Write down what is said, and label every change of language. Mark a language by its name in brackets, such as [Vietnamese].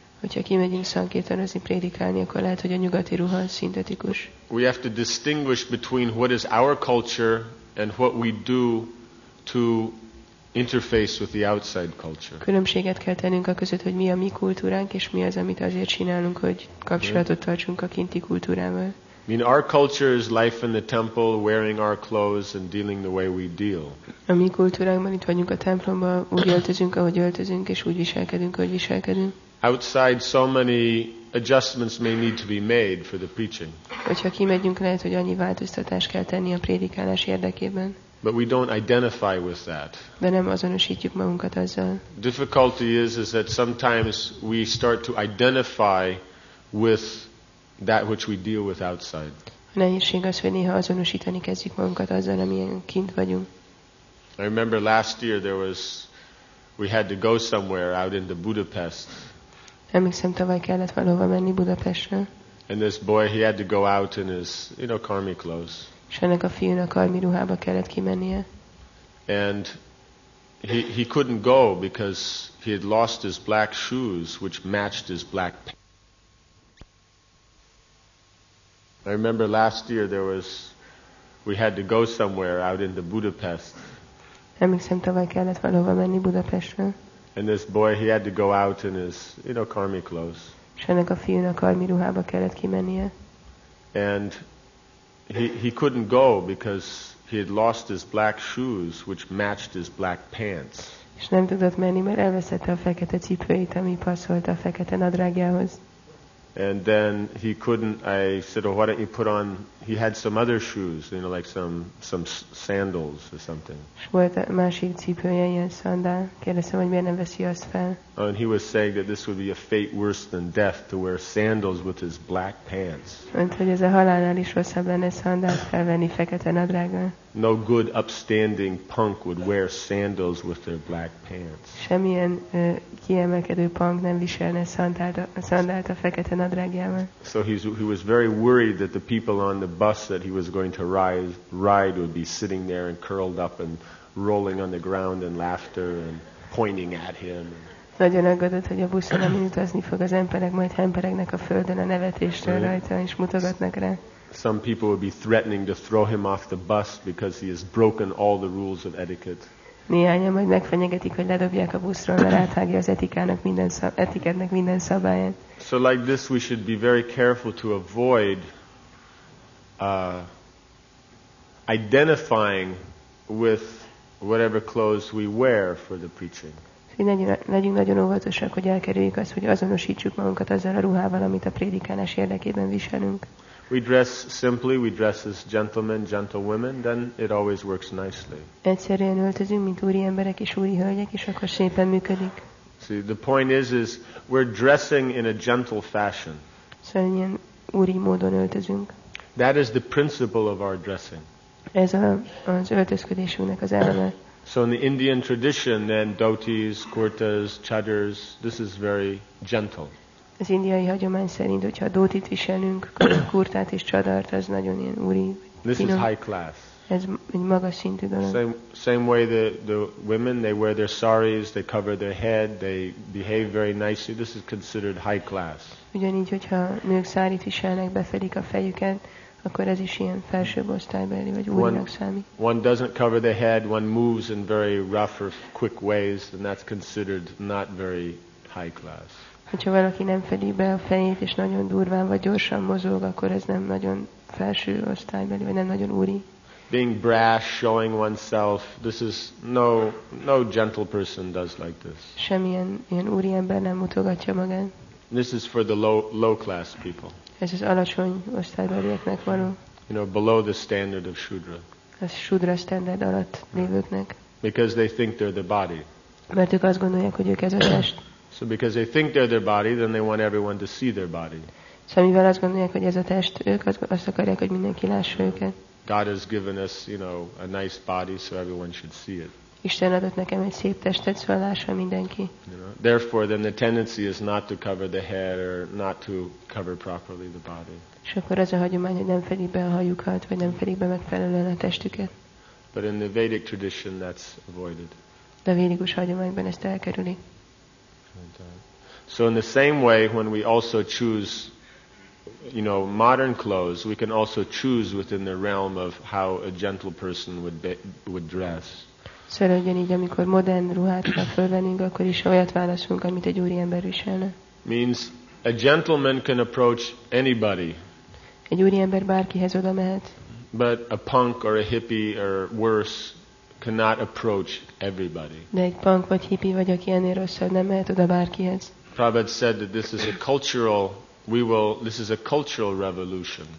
[Hungarian] Hogyha kimegyünk szankirtanozni, prédikálni, akkor lehet, hogy a nyugati ruha szintetikus. [English] We have to distinguish between what is our culture and what we do to interface with the outside culture. [Hungarian] Különbséget kell tennünk a között, hogy mi a mi kultúránk, és mi az, amit azért csinálunk, hogy kapcsolatot tartsunk a kinti kultúrával. [English] I mean, our culture is life in the temple, wearing our clothes and dealing the way we deal. [Hungarian] A mi kultúránkban itt vagyunk a templomban, úgy öltözünk, ahogy öltözünk, és úgy viselkedünk, ahogy viselkedünk. [English] Outside, so many adjustments may need to be made for the preaching. [Hungarian] Hogyha kimegyünk, lehet, hogy annyi változtatást kell tenni a prédikálás érdekében. [English] But we don't identify with that. [Hungarian] De nem azonosítjuk magunkat azzal. [English] Difficulty is that sometimes we start to identify with that which we deal with outside. [Hungarian] A nehézség az, hogy néha azonosítani kezdjük magunkat azzal, amilyen kint vagyunk. [English] I remember last year we had to go somewhere out into Budapest. [Hungarian] Emlékszem, tavaly kellett valahova menni Budapestre. [English] And this boy, he had to go out in his, you know, karmi clothes. [Hungarian] És ennek a fiúnak karmi ruhába kellett kimennie. [English] And he couldn't go because he had lost his black shoes, which matched his black pants. I remember last year we had to go somewhere out into Budapest. [Hungarian] Emlékszem, tavaly kellett valahova menni Budapestre. [English] And this boy, he had to go out in his, you know, karmi clothes. [Hungarian] És ennek a fiúnak karmi ruhába kellett kimennie. [English] And he couldn't go because he had lost his black shoes, which matched his black pants. [Hungarian] És nem tudott menni, mert elveszette a fekete cipőjét, ami passzolt a fekete nadrágjához. [English] And then he couldn't. I said, "Oh, why don't you put on?" He had some other shoes, you know, like some sandals or something. [Hungarian] Volt másik cipője, ilyen szandál. Kérdeztem, hogy miért nem veszi azt fel. [English] And he was saying that this would be a fate worse than death to wear sandals with his black pants. [Hungarian] Mondta, hogy ez a halálnál is rosszabb lenne szandált felvenni fekete nadrággal. [English] No good upstanding punk would wear sandals with their black pants. [Hungarian] Semmilyen kiemelkedő punk nem viselne szandált a fekete nadrágjával. [English] So he was very worried that the people on the bus that he was going to ride would be sitting there and curled up and rolling on the ground in laughter and pointing at him. [Hungarian] Nagyon aggódott, hogy a buszon, amin utazni fog, az emberek majd hemperegnek a földön a nevetéstől rajta, és mutogatnak rá. [English] Some people would be threatening to throw him off the bus because he has broken all the rules of etiquette. [Hungarian] Néhányan majd megfenyegetik, hogy ledobják a buszról, mert áthágja az etikettnek minden szabályát. [English] So like this, we should be very careful to avoid identifying with whatever clothes we wear for the preaching. [Hungarian] Legyünk nagyon óvatosak, hogy elkerüljük azt, hogy azonosítsuk magunkat azzal a ruhával, amit a prédikálás érdekében viselünk. [English] We dress simply, we dress as gentlemen, gentlewomen, then it always works nicely. [Hungarian] Egyszerűen öltözünk, mint úri emberek és úri hölgyek, és akkor szépen működik. [English] See, the point is we're dressing in a gentle fashion. [Hungarian] Szóval ilyen úri módon öltözünk. [English] That is the principle of our dressing. [Hungarian] Ez az öltözködésünknek az eleme. [English] So in the Indian tradition, then dhotis, kurtas, chadars, this is very gentle. [Hungarian] Az indiai hagyomány szerint, hogyha dhotit viselünk, kurtát és csadart, az nagyon ilyen úri. [English] This is high class. [Hungarian] Ez egy magas szintű dolog. [English] Same way the women, they wear their saris, they cover their head, they behave very nicely. This is considered high class. [Hungarian] Ugyanígy, hogyha nők sárit viselnek, befedik a fejüket, akkor ez is ilyen felsőbb osztálybeli vagy úrinak számít. [English] One doesn't cover the head, one moves in very rough or quick ways, and that's considered not very high class. [Hungarian] Hogyha valaki nem fedi be a fejét és nagyon durván vagy gyorsan mozog, akkor ez nem nagyon felső osztálybeli vagy nem nagyon úri. [English] Being brash, showing oneself, this is no gentle person does like this. [Hungarian] Semmilyen ilyen úri ember nem mutogatja magát. [English] This is for the low class people. [Hungarian] Ez az alacsony osztálybelieknek való. [English] You know, below the standard of shudra. [Hungarian] A shudra standard alatt lévőknek. [English] Because they think they're the body. [Hungarian] Mert ők azt gondolják, hogy ők ez a test. [English] So because they think they're their body, then they want everyone to see their body. [Hungarian] So mivel azt gondolják, hogy ez a test, ők azt akarják, hogy mindenki lássa őket. [English] God has given us, you know, a nice body, so everyone should see it. [Hungarian] Isten adott nekem egy szép testet, szóval lássa mindenki. [English] You know, therefore, then the tendency is not to cover the head or not to cover properly the body. [Hungarian] És akkor az a hagyomány, hogy nem fedik be a hajukat, vagy nem fedik be megfelelően a testüket. [English] But in the Vedic tradition, that's avoided. [Hungarian] De a védikus hagyományban ezt elkerüli. [English] So in the same way, when we also choose, you know, modern clothes, we can also choose within the realm of how a gentle person would dress. [Hungarian] Szóval ugyanígy, amikor modern ruhát kell fölvennünk, akkor is olyat válaszunk, amit egy úri ember viselne. [English] Means a gentleman can approach anybody. [Hungarian] Egy úriember bárkihez oda mehet. [English] But a punk or a hippie or worse cannot approach everybody. [Hungarian] De egy punk vagy hippie vagy aki ennél rosszabb nem mehet oda bárkihez. [English] Prabhupada said that this is a cultural this is a cultural revolution.